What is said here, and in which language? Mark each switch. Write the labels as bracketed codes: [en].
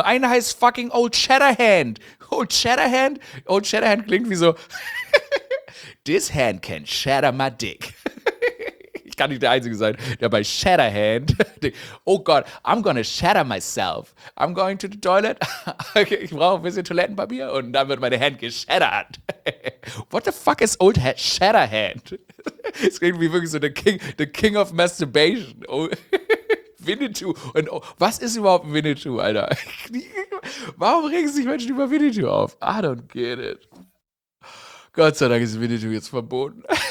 [de] Einer heißt fucking Old Shatterhand? Old Shatterhand klingt wie so [en] This hand can shatter my dick. [de] Ich kann nicht der Einzige sein, der bei Shatterhand denkt, oh Gott, [en] I'm gonna shatter myself. I'm going to the toilet. [de] Okay, ich brauche ein bisschen Toilettenpapier und dann wird meine Hand geshattert. [en] What the fuck is old head Shatterhand? [de] Es klingt wie wirklich so [en] the king of masturbation. [de] Oh, Winnetou. Und oh, was ist überhaupt Winnetou, Alter? Warum regen sich Menschen über Winnetou auf? [en] I don't get it. [de] Gott sei Dank ist Winnetou jetzt verboten.